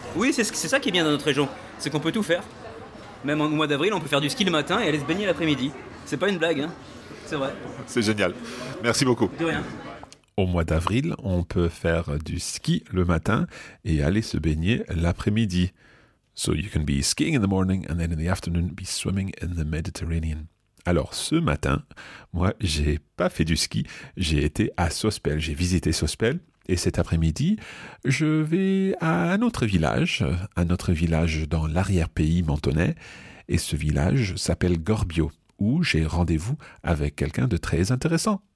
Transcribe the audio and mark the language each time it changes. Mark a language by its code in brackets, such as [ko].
[fr] Oui, c'est ça qui est bien dans notre région, c'est qu'on peut tout faire. Même au mois d'avril, on peut faire du ski le matin et aller se baigner l'après-midi. C'est pas une blague, hein. C'est vrai. C'est génial. Merci beaucoup. De rien. Au mois d'avril, on peut faire du ski le matin et aller se baigner l'après-midi. [en] So you can be skiing in the morning and then in the afternoon be swimming in the Mediterranean. [fr] Alors ce matin, moi, j'ai pas fait du ski. J'ai été à Sospel. J'ai visité Sospel. Et cet après-midi, je vais à un autre village dans l'arrière-pays mentonnais. Et ce village s'appelle Gorbio, où j'ai rendez-vous avec quelqu'un de très intéressant.